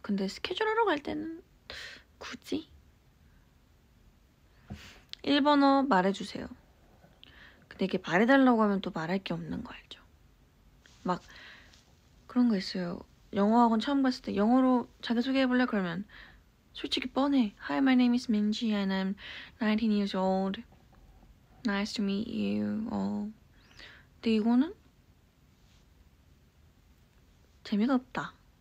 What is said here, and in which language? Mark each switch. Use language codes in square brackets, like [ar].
[ko] 근데 스케줄 하러 갈 때는 굳이? 1번어 말해주세요. 근데 이게 말해달라고 하면 또 말할 게 없는 거 알죠? 막 그런 거 있어요. 영어 학원 처음 갔을 때 영어로 자기소개해 볼래? 그러면 솔직히 뻔해. [en] Hi, my name is Minji and I'm 19 years old. Nice to meet you all. [ko] 근데 이거는 재미가 없다.